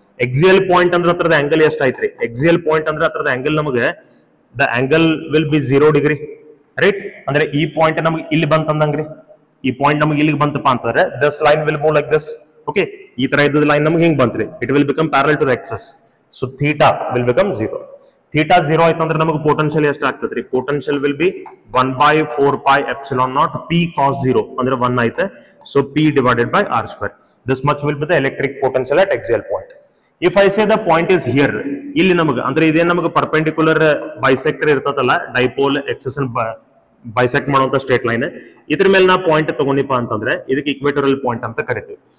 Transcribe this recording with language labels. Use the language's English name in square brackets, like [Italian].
[Kannada] Axial point ಅಂದ್ರೆ ಹತ್ರದ angle ಎಷ್ಟ್ ಐತ್ರಿ? ಎಕ್ಸಿಯಲ್ ಪಾಯಿಂಟ್ ಅಂದ್ರೆ ಹತ್ರದ ಆಂಗಲ್ ನಮಗೆ [English] The angle will be 0 degree. Right? [Kannada] ಅಂದ್ರೆ ಈ ಪಾಯಿಂಟ್ ನಮಗೆ ಇಲ್ಲಿ ಬಂತಂದಂಗ್ರಿ, ಈ ಪಾಯಿಂಟ್ ನಮಗೆ ಇಲ್ಲಿಗೆ ಬಂತಪ್ಪ ಅಂತಂದ್ರೆ [English] This line will move like this. [Kannada] Okay, ಈ ತರ ಇದ್ದ ಲೈನ್ ನಮಗೆ ಹಿಂಗ್ ಬಂತ್ರಿ, [English] It will become parallel to the axis. So theta will become 0. [Kannada] Theta 0 ಆಯ್ತಂದ್ರೆ ನಮಗೆ ಪೊಟೆನ್ಶಿಯಲ್ ಎಷ್ಟ್ ಆಗ್ತದ್ರಿ? [English] potential will be 1 ÷ 4 pi epsilon naught p cos 0 [Kannada] ಅಂದ್ರೆ 1 ಐತೆ. [English] So p divided by r square. This much will be the electric potential at axial point. If I say the point is here, [Kannada] ಇಲ್ಲಿ ನಮಗೆ ಅಂದ್ರೆ ಇದೇ ನಮಗೆ perpendicular bisector ಇರ್ತದಲ್ಲ, dipole excess bisect ಮಾಡುವಂತ straight line, ಇದ್ರ ಮೇಲೆ ನಾ ಪಾಯಿಂಟ್ ತಗೊಂಡಿಪ್ಪ ಅಂತಂದ್ರೆ ಇದಕ್ಕೆ ಇಕ್ವೇಟೋರಿಯಲ್ ಪಾಯಿಂಟ್ ಅಂತ ಕರಿತೀವಿ.